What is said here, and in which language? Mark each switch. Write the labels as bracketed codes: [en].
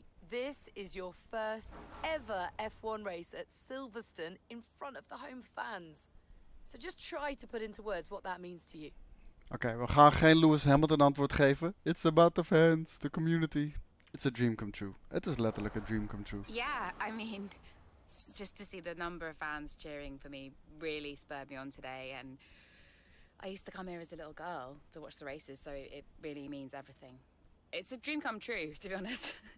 [en] This is your first ever F1 race at Silverstone in front of the home fans. So just try to put into words what that means to you. [nl] Okay, we gaan geen Lewis Hamilton antwoord geven. [en] It's about the fans, the community. It's a dream come true. It is [nl] letterlijk [en] a dream come true. Yeah, I mean, just to see the number of fans cheering for me really spurred me on today. And I used to come here as a little girl to watch the races, so it really means everything. It's a dream come true, to be honest.